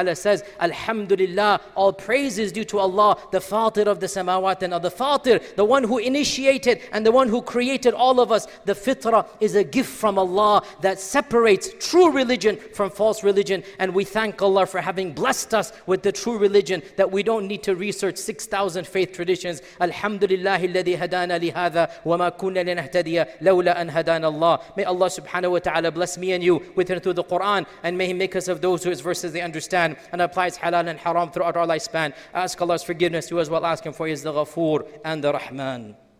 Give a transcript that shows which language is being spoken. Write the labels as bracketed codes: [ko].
[en] ta'ala says, Alhamdulillah, all praise is due to Allah, the Fatir of the Samawat and the Fatir, the one who initiated and the one who created all of us. The fitrah is a gift from Allah that separates true religion from false religion. And we thank Allah for having blessed us with the true religion that we don't need to research 6,000 faith traditions. [ar] Alhamdulillah, الذي هدانا لهذا وما كنا لنهتدي لولا أن هدانا الله. [en] May Allah subhanahu wa ta'ala bless me and you with and through the Quran, and may He make us of those who His verses they understand and applies halal and haram throughout our lifespan. Ask Allah's forgiveness to us while asking for His, the Ghafoor and the Rahman.